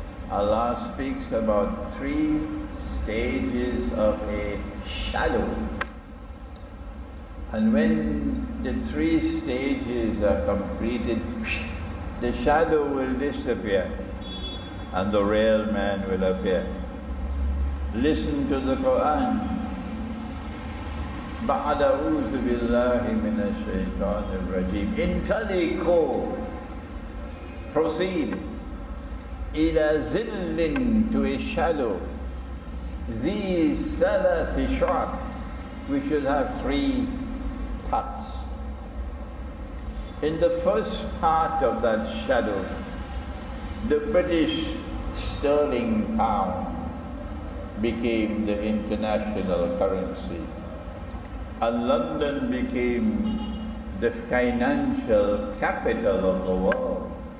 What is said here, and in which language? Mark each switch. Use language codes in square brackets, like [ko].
[en] Allah speaks about three stages of a shadow. And when the three stages are completed, the shadow will disappear and the real man will appear. Listen to the Quran. [ar] بعد أعوذ بالله من الشيطان الرجيم انطلقوا [en] proceed [ar] إلى ظل [en] to a shadow [ar] ذي ثلاث شعب [en] which will have three parts. In the first part of that shadow, the British sterling pound became the international currency. And London became the financial capital of the world.